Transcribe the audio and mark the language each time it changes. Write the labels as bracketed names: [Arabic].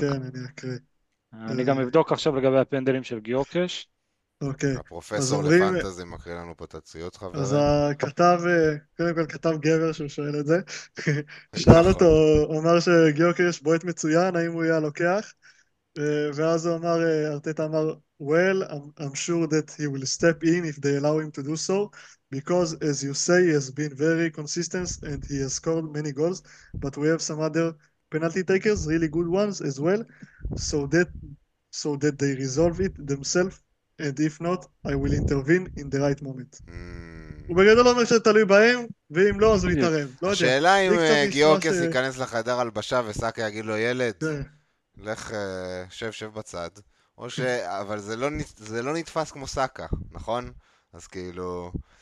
[Hebrew] כן, אני אקריא. אני גם אבדוק עכשיו לגבי הפנדלים של גיוקרש. אוקיי. הפרופסור לפנטזי מקריא לנו פה את הציוט, חברים. אז הכתב, קודם כל כתב גבר שהוא שואל את זה, שאל אותו, אומר שגיוקרש בועט מצוין, האם הוא יהיה לוקח? ואז הוא אמר, ארטטה אמר, [English] well, I'm sure that he will step in if they allow him to do so, because as you say, he has been very consistent and he has scored many goals, but we have some other penalty takers, really good ones as well, so that they resolve it themselves, and if not, I will intervene in the right moment. [Hebrew] הוא בגדול אומר שזה תלוי בהם, ואם לא, אז הוא יתערב. השאלה אם גיאוקס ייכנס לחדר הלבשה וסאקה יגיד לו, ילד, לך, שב בצד, או ש... אבל זה לא נתפס כמו סאקה, נכון? אז כאילו...